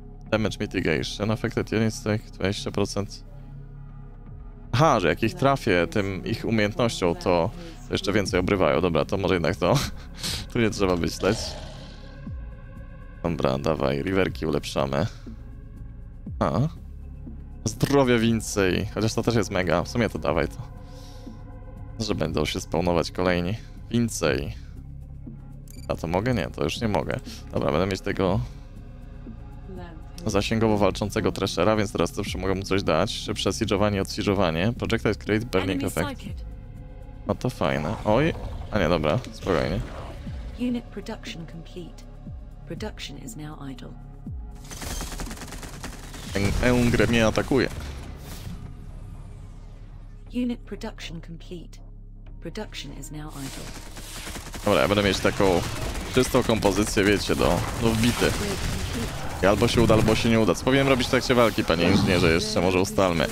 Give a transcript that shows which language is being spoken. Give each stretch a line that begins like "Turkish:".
English: Damage mitigation, affected units take 20%.
Polish: Aha, że jak ich trafię tym ich umiejętnością, to jeszcze więcej obrywają. Dobra, to może jednak to. Tu nie trzeba myśleć. Dobra, dawaj, riverki ulepszamy. A. Zdrowia więcej. Chociaż to też jest mega. W sumie to dawaj to. Że będą się spawnować kolejni. Więcej. A to mogę? Nie, to już nie mogę. Dobra, będę mieć tego zasięgowo walczącego Threshera, więc teraz zawsze mogę mu coś dać. Szybsze siege'owanie i odsiege'owanie.
English: Projectile create burning effect.
Polish: No to fajne. Oj! A nie, dobra, spokojnie.
English: Unit production complete. Production is now idle.
Polish: Eungre mnie atakuje.
English: Unit production complete. Production is now idle.
Polish: Dobra, ja będę mieć taką czystą kompozycję, wiecie, do wbity. I albo się uda, albo się nie uda. Co powinienem robić w trakcie walki, panie inżynierze, jeszcze może ustalmy.